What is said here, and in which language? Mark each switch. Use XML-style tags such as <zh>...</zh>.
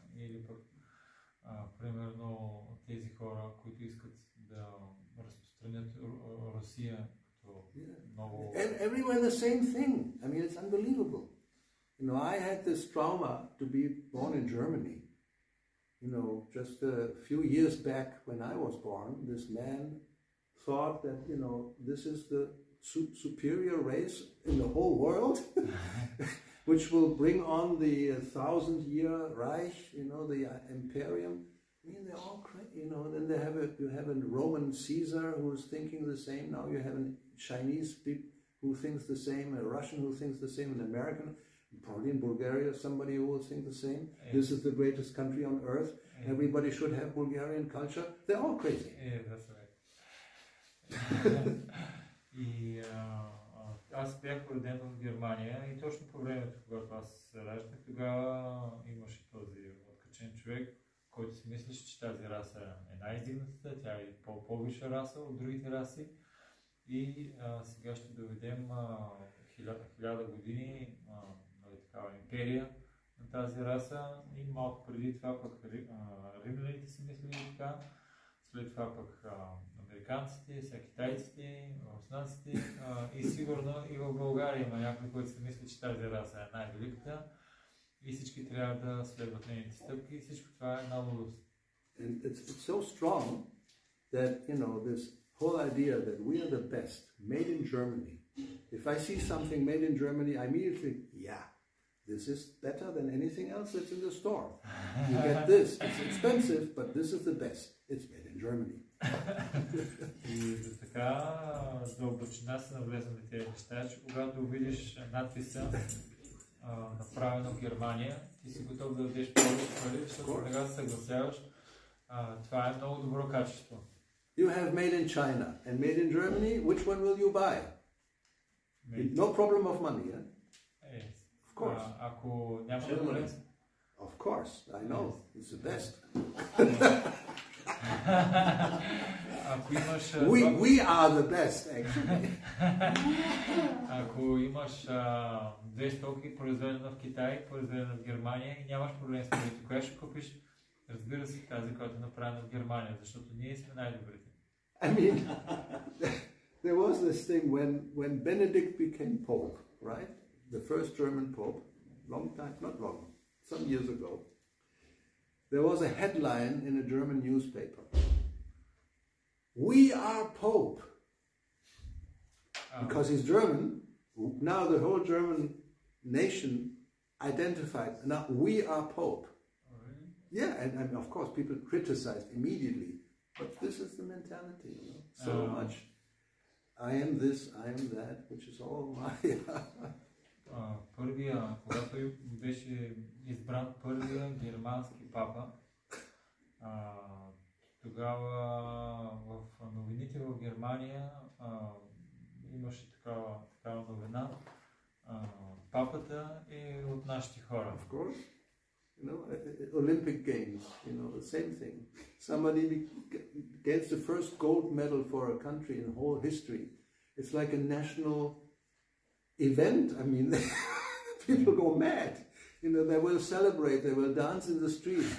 <bg>Или пък, примерно, тези хора, които искат да разпространят Русия като ново.</bg> <en>And everywhere the same thing. I mean, it's unbelievable. You know, I had this trauma to be born in Germany. You know, just a few years back when I was born, this man thought that, you know, this is the superior race in the whole world, which will bring on the thousand-year Reich, you know, the Imperium. I mean, they're all crazy, you know, then they have you have a Roman Caesar who is thinking the same, now you have a Chinese who thinks the same, a Russian who thinks the same, an American. Probably in Bulgaria, somebody will think the same. Yeah. This is the greatest country on earth. Yeah. Everybody should have Bulgarian culture. They're all crazy. Yeah, that's right.</en> <bg>И аз бях роден в Германия и точно по времето, когато аз се раждах, тогава имаше този откачен човек, който си мислеше, че тази раса е най-издигната, тя е по-висша раса от другите раси. И сега ще доведем хиляда години империя на тази раса и малко преди това пък римляните си мислили така, след това пък американците, сега китайците, руснаците и сигурно и в България има някой, който се мисли, че тази раса е най-великата и всички трябва да следват нейните стъпки и всичко това е наводост.</bg> <en>And it's so strong that, you know, this whole idea that we are the best, made in Germany. If I see something made in Germany, I immediately, yeah, this is better than anything else that's in the store. You get this, it's expensive, but this is the best. It's made in Germany.</en> <bg>Така дълбочина се навлезна на тези неща, че когато видиш надписа направено в Германия, ти си готов да дадеш повече пари, защото сега се съгласяваш, това е много добро качество.</bg> <en>You have made in China and made in Germany, which one will you buy? No problem of money, eh? Yes. Of course.</en> <bg>Ако няма проблем.</bg> <en>Of course, I know. Yes. It's the best.</en> <bg>Ако имаш</bg> <en>we are the best actually.</en> <bg>Ако имаш две стоки произведена в Китай, произведена в Германия и нямаш проблем с парите, коя ще купиш? Разбира се, тази, която е направена в Германия, защото ние сме най-добрите.</bg> <en>I mean, there was this thing when Benedict became Pope, right? The first German Pope, long time, not long, some years ago. There was a headline in a German newspaper. We are Pope. Because he's German. Now the whole German nation identified. Now we are Pope. Really? Yeah, and of course people criticized immediately. But this is the mentality, you know. So much. I am this, I am that, which is all my...</en> <bg>първия, когато беше избран първия германски папа, тогава в новините в Германия имаше такава новина. Папата е от нашите хора.</bg> <en>Of course. You know, Olympic Games, you know, the same thing. Somebody gets the first gold medal for a country in whole history. It's like a national event, I mean, people go mad, you know, they will celebrate, they will dance in the street.</en>